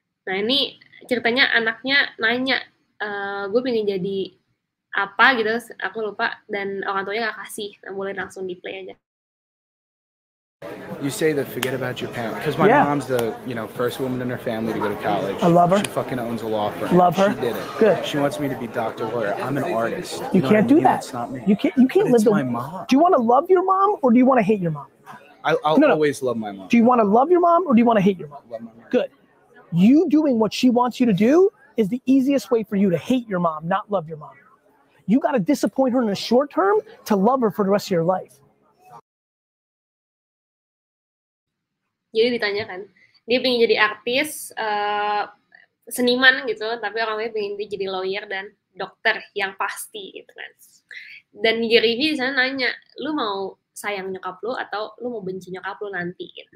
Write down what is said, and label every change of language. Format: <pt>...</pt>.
<id>Nah ini ceritanya anaknya nanya, gue pengen jadi apa gitu, aku lupa, dan orang tuanya gak kasih. Nah, boleh langsung di play aja.</id> <en>You say that forget about your parents, because my mom's the, you know, first woman in her family to go to college. I love her. She fucking owns a law firm. Love her. She did it. Good. She wants me to be doctor, lawyer. I'm an artist. You can't do that. It's not me. You can't live the. It's my mom. Do you want to love your mom or do you want to hate your mom? I'll always love my mom. Do you want to love your mom or do you want to hate your mom? Love my mom. Good. You doing what she wants you to do is the easiest way for you to hate your mom, not love your mom. You got to disappoint her in the short term to love her for the rest of your life.</en> <id>Jadi ditanya kan, dia pengen jadi artis, seniman gitu, tapi orang tuanya pengen dia jadi lawyer dan dokter yang pasti gitu kan. Dan Gary V disana nanya, lu mau sayang nyokap lu atau lu mau benci nyokap lu nanti?</id>